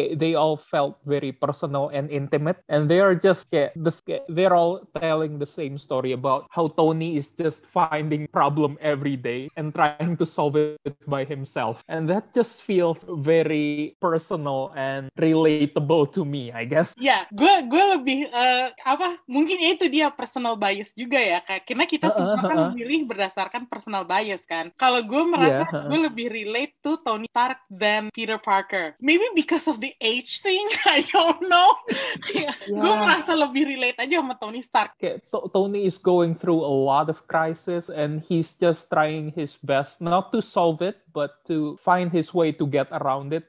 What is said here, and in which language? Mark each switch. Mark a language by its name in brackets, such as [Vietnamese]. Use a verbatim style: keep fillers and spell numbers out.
[English] Kayak they all felt very personal and intimate, and they are just kayak the, they're all telling the same story about how Tony is just finding problem every day and trying to solve it by himself, and that just feels very personal and relatable to me, I guess. [Indonesian] Ya, yeah, gue gue lebih uh, apa? Mungkin itu dia personal bias juga ya, kayak karena kita uh, semua uh, kan uh, memilih berdasarkan personal bias kan. Kalau gue merasa yeah, uh, gue lebih [English] relate to Tony Stark than Peter Parker. Maybe because of the age thing, I don't know. [Indonesian] Yeah. Gue merasa lebih relate aja sama Tony Stark. [English] Kayak T- Tony is going through a lot of crisis and he's just trying his best not to solve it, but to find his way to get around it.